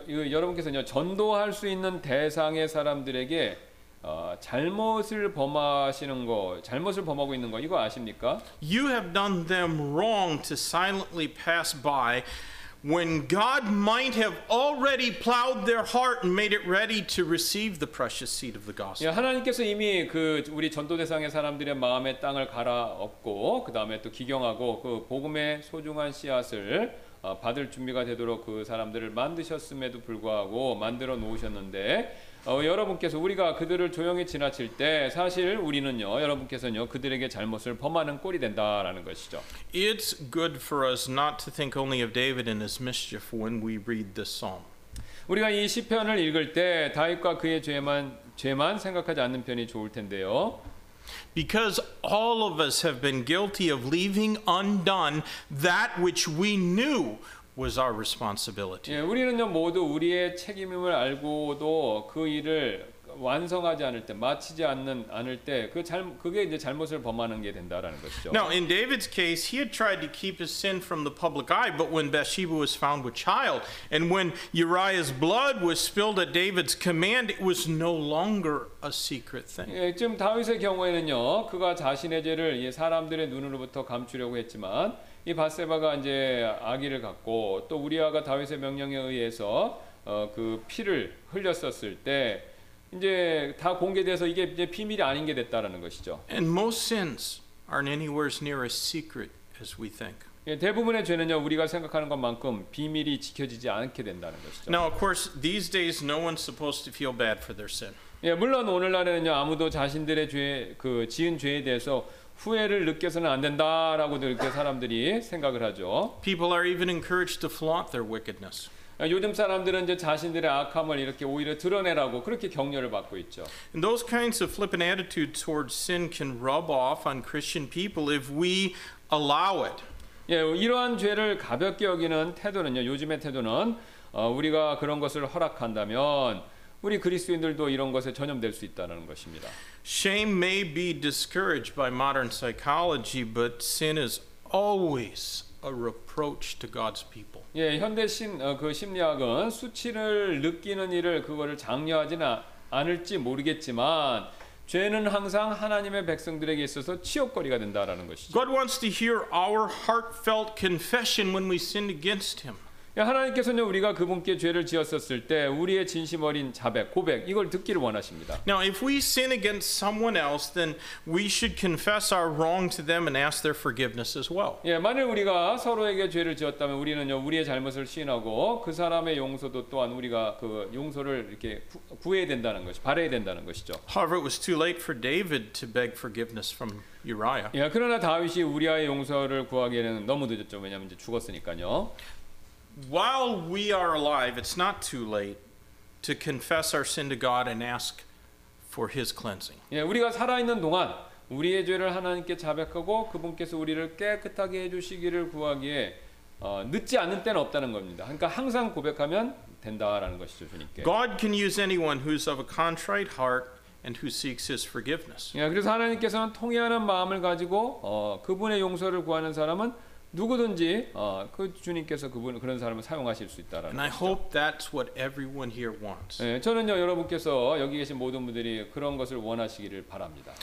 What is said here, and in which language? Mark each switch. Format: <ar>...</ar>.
<ko>여러분께서는요 전도할 수 있는 대상의 사람들에게 잘못을 범하시는 거, 잘못을 범하고 있는 거 이거 아십니까?</ko> <en>You have done them wrong to silently pass by when God might have already plowed their heart and made it ready to receive the precious seed of the gospel.</en> <ko>예, 하나님께서 이미 그 우리 전도 대상의 사람들의 마음의 땅을 갈아엎고 그다음에 또 기경하고 그 복음의 소중한 씨앗을 받을 준비가 되도록 그 사람들을 만드셨음에도 불구하고 만들어 놓으셨는데 여러분께서 우리가 그들을 조용히 지나칠 때 사실 우리는요 여러분께서는요 그들에게 잘못을 범하는 꼴이 된다라는 것이죠.</ko> <en>It's good for us not to think only of David and his mischief when we read this psalm.</en> <ko>우리가 이 시편을 읽을 때 다윗과 그의 죄만 생각하지 않는 편이 좋을 텐데요.</ko> <en>Because all of us have been guilty of leaving undone that which we knew was our responsibility.</en> <ko>예, 우리는요 모두 우리의 책임임을 알고도 그 일을 완성하지 않을 때, 마치지 않을 때 그게 이제 잘못을 범하는 게 된다라는 것이죠.</ko> <en>Now, in David's case, he had tried to keep his sin from the public eye, but when Bathsheba was found with child, and when Uriah's blood was spilled at David's command, it was no longer a secret thing.</en> <ko>예, 지금 다윗의 경우에는요, 그가 자신의 죄를 이 사람들의 눈으로부터 감추려고 했지만 이 바세바가 이제 아기를 갖고 또 우리아가 다윗의 명령에 의해서 그 피를 흘렸었을 때 이제 다 공개돼서 이게 이제 비밀이 아닌 게 됐다라는 것이죠.</ko> <en>And most sins aren't anywhere as near as secret as we think.</en> <ko>예, 대부분의 죄는요 우리가 생각하는 것만큼 비밀이 지켜지지 않게 된다는 것이죠.</ko> <en>Now, of course, these days, no one's supposed to feel bad for their sin.</en> <ko>예, 물론 오늘날에는요 아무도 자신들의 죄, 그 지은 죄에 대해서 후회를 느껴서는 안 된다라고 이렇게 사람들이 생각을 하죠.</ko> <en>People are even encouraged to flaunt their wickedness.</en> <ko>요즘 사람들은 이제 자신들의 악함을 이렇게 오히려 드러내라고 그렇게 격려를 받고 있죠.</ko> <en>And those kinds of flippant attitudes towards sin can rub off on Christian people if we allow it.</en> <ko>예, 이러한 죄를 가볍게 여기는 태도는요. 요즘의 태도는 우리가 그런 것을 허락한다면 우리 그리스도인들도 이런 것에 전염될 수 있다는 것입니다.</ko> <en>Shame may be discouraged by modern psychology, but sin is always a reproach to God's people.</en> <ko>예, 현대 그 심리학은 수치를 느끼는 일을 그거를 장려하지는 않을지 모르겠지만 죄는 항상 하나님의 백성들에게 있어서 치욕거리가 된다라는 것이죠.</ko> <en>God wants to hear our heartfelt confession when we sin against him.</en> <ko>예, 하나님께서는 우리가 그분께 죄를 지었었을 때 우리의 진심 어린 자백, 고백 이걸 듣기를 원하십니다.</ko> <en>Now, if we sin against someone else, then we should confess our wrong to them and ask their forgiveness as well.</en> <ko>예, 만일 우리가 서로에게 죄를 지었다면 우리는요 우리의 잘못을 시인하고 그 사람의 용서도 또한 우리가 그 용서를 이렇게 구해야 된다는 것이 바래야 된다는 것이죠.</ko> <en>However, it was too late for David to beg forgiveness from Uriah.</en> <ko>예, 그러나 다윗이 우리아의 용서를 구하기에는 너무 늦었죠. 왜냐하면 이제 죽었으니까요.</ko> <en>While we are alive, it's not too late to confess our sin to God and ask for his cleansing.</en> <ko>예, 우리가 살아 있는 동안 우리의 죄를 하나님께 자백하고 그분께서 우리를 깨끗하게 해 주시기를 구하기에 늦지 않은 때는 없다는 겁니다. 그러니까 항상 고백하면 된다라는 것이죠, 주님께.</ko> <en>God can use anyone who's of a contrite heart and who seeks his forgiveness.</en> <ko>예, 그래서 하나님께서는 통회하는 마음을 가지고 그분의 용서를 구하는 사람은 누구든지 그 주님께서 그분 그런 사람을 사용하실 수 있다라는</ko> <en>And I</en> <ko>것이죠.</ko> <en>hope that's what everyone here wants.</en> <ko>예, 저는요 여러분께서 여기 계신 모든 분들이 그런 것을 원하시기를 바랍니다.</ko>